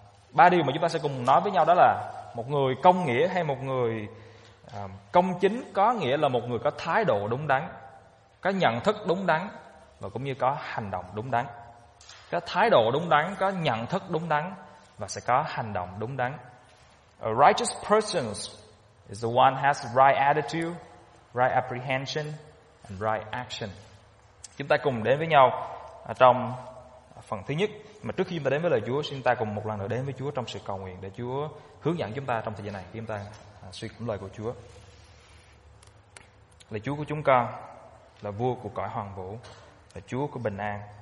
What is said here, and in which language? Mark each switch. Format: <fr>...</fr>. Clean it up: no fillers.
<vi>Ba điều mà chúng ta sẽ cùng nói với nhau đó là một người công nghĩa hay một người công chính có nghĩa là một người có thái độ đúng đắn, có nhận thức đúng đắn và cũng như có hành động đúng đắn. Có thái độ đúng đắn, có nhận thức đúng đắn và sẽ có hành động đúng đắn.</vi> <en>A righteous person is the one has the right attitude, right apprehension and right action.</en> <vi>Chúng ta cùng đến với nhau trong phần thứ nhất. Mà trước khi chúng ta đến với lời Chúa, xin ta cùng một lần nữa đến với Chúa trong sự cầu nguyện, để Chúa hướng dẫn chúng ta trong thời gian này khi chúng ta suy cũng lời của Chúa. Lời Chúa của chúng con là vua của cõi hoàng vũ, là Chúa của bình an.</vi>